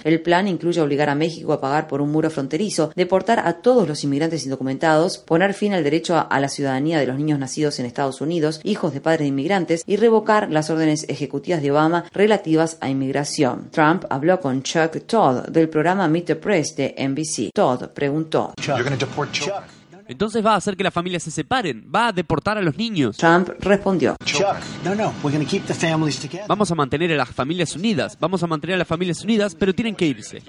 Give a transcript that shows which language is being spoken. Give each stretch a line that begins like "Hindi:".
Spanish: El plan incluye obligar a México a pagar por un muro fronterizo, deportar a todos los inmigrantes indocumentados, poner fin al derecho a la ciudadanía de los niños nacidos en Estados Unidos, hijos de padres de inmigrantes, y revocar las órdenes ejecutivas de Obama relativas a inmigración. Trump habló con Chuck Todd del programa Meet the Press de NBC. Todd preguntó: Chuck. ¿Entonces va a hacer que las familias se separen? ¿Va a deportar a los niños? Trump respondió:
English: Chuck, no, we're going to keep the families together.
Spanish: Vamos a mantener a las familias unidas. Vamos a mantener a las familias unidas, pero tienen que irse.